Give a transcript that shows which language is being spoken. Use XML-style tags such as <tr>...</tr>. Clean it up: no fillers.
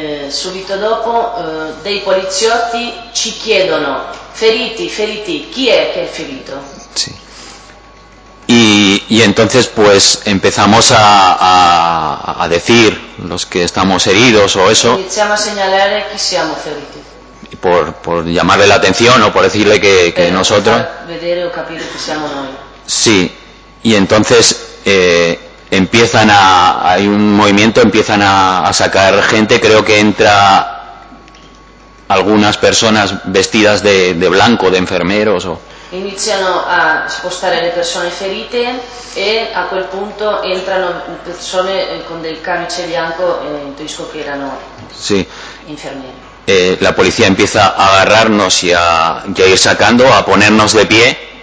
<it>Subito dopo, dei poliziotti ci chiedono: feriti, ¿chi è che è ferito?</it> <es>Sí. Y entonces pues empezamos a decir los que estamos heridos o eso.</es> <it>Iniziamo a señalar que siamo feriti.</it> <es>Por llamarle la atención o por decirle que nosotros.</es> <it>Vedere o capire che siamo noi.</it> <es>Sí. Y entonces hay un movimiento, empiezan a sacar gente, creo que entra algunas personas vestidas de blanco, de enfermeros o...</es> <it>Iniziano a spostare le persone ferite e a quel punto entrano persone con del camice bianco, intuisco che erano</it> <es>sí.</es> <it>Infermieri.</it> <es>La polizia empieza a agarrarnos y a ir sacando, a ponernos de pie.</es>